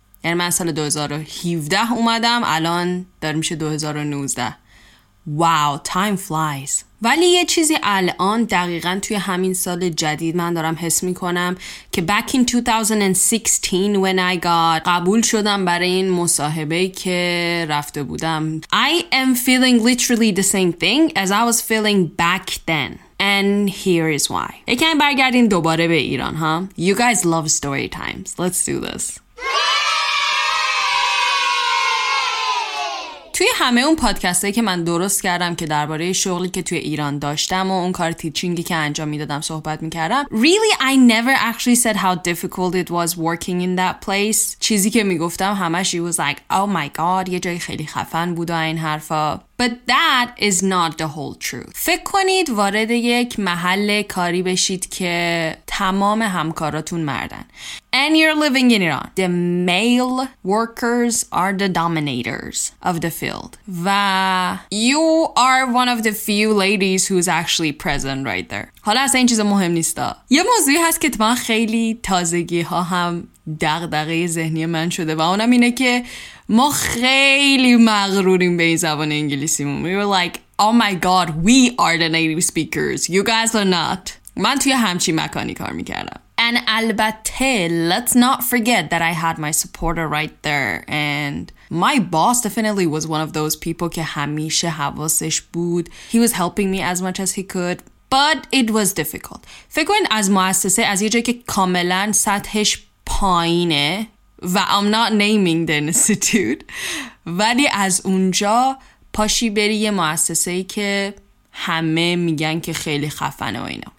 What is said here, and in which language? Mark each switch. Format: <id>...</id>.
<fa>یعنی من سال 2017 اومدم، الان داره میشه 2019.</fa> <en>Wow, time flies.</en> <fa>ولی یه چیزی الان دقیقا توی همین سال جدید من دارم حس میکنم که</fa> <en>back in 2016 when I got</en> <fa>قبول شدم برای این مصاحبه که رفته بودم.</fa> <en>I am feeling literally the same thing as I was feeling back then. And here is why.</en> <fa>یکم برگردیم دوباره به ایران ها.</fa> <en>You guys love story times. Let's do this.</en> <fa>توی همه اون پادکستایی که من درست کردم که درباره شغلی که توی ایران داشتم و اون کار تیچینگی که انجام میدادم صحبت میکردم،</fa> <en>really I never actually said how difficult it was working in that place.</en> <fa>چیزی که میگفتم همش</fa> <en>it was like oh my god</en> <fa>یه جای خیلی خفن بود و این حرفا.</fa> <en>But that is not the whole truth.</en> <fa>فکر کنید وارد یک محل کاری بشید که تمام همکاراتون مردن.</fa> <en>And you're living in Iran. The male workers are the dominators of the field. و you are one of the few ladies who's actually present right there.</en> <fa>حالا اصلا این چیز مهم نیستا. یه موضوعی هست که من خیلی تازگی ها هم دغدغه ذهنی من شده و اونم اینه که ما خیلی مغروریم به این زبان انگلیسیمون.</fa> <en>We were like, oh my god, we are the native speakers. You guys are not.</en> <fa>من توی همچی مکانی کار میکردم.</fa> <en>And البته, let's not forget that I had my supporter right there. And my boss definitely was one of those people</en> <fa>که همیشه حواسش بود.</fa> <en>He was helping me as much as he could. But it was difficult.</en> <fa>فکر کن از مؤسسه, از یه جایی که کاملا سطحش پایینه, و</fa> <en>I'm not naming the institute,</en> <fa>ولی از اونجا پاشی بری یه مؤسسه‌ای که همه میگن که خیلی خفنه و اینا.</fa>